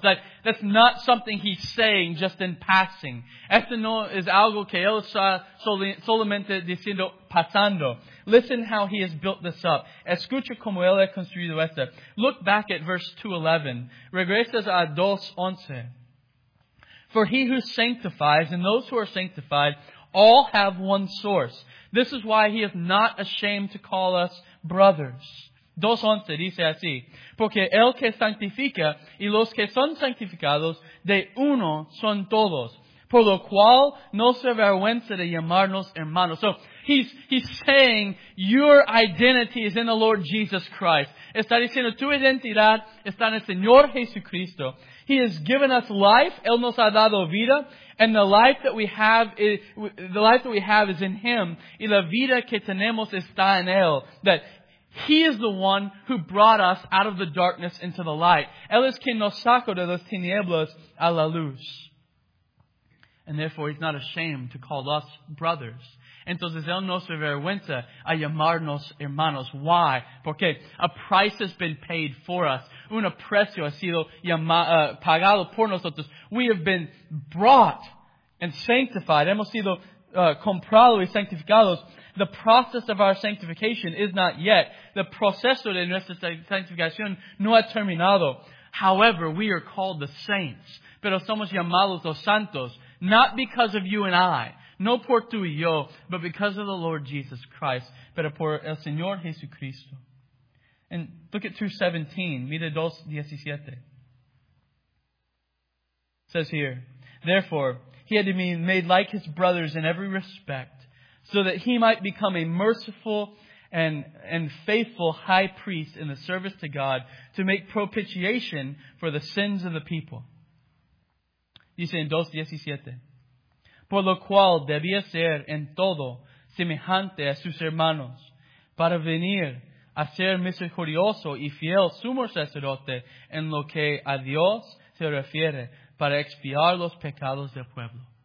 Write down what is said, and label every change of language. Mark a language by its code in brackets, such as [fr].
[en] That's not something he's saying just in passing. [es] Esto no es algo que él está solamente diciendo pasando. [en] Listen how he has built this up. [es] Escucha como él ha construido esto. [en] Look back at verse 2:11. [es] Regresas a 2:11. [en] For he who sanctifies and those who are sanctified all have one source. This is why he is not ashamed to call us brothers. [es] 2:11 dice así. Porque el que santifica y los que son santificados de uno son todos. Por lo cual no se avergüenza de llamarnos hermanos. [en] So he's saying your identity is in the Lord Jesus Christ. [es] Está diciendo tu identidad está en el Señor Jesucristo. [en] He has given us life. [es] Él nos ha dado vida. [en] And the life that we have is in Him. [es] Y la vida que tenemos está en Él. [en] That He is the one who brought us out of the darkness into the light. [es] Él es quien nos sacó de las tinieblas a la luz. [en] And therefore, He's not ashamed to call us brothers. [es] Entonces, Él no se avergüenza a llamarnos hermanos. [en] Why? [es] Porque [en] a price has been paid for us. [es] Un precio ha sido pagado por nosotros. [en] We have been brought and sanctified. [es] Hemos sido comprado y santificados, [en] the process of our sanctification is not yet. [es] The proceso de nuestra santificación no ha terminado. [en] However, we are called the saints. [es] Pero somos llamados los santos, [en] not because of you and I, [es] no por tú y yo, [en] but because of the Lord Jesus Christ, [es] pero por el Señor Jesucristo. [en] And look at 2:17, [es] mire 2:17. [en] Says here, therefore, he had to be made like his brothers in every respect, so that he might become a merciful and faithful high priest in the service to God to make propitiation for the sins of the people. [es] Dice en 2:17. Por lo cual debía ser en todo semejante a sus hermanos, para venir a ser misericordioso y fiel sumo sacerdote en lo que a Dios se refiere, para expiar los pecados del pueblo.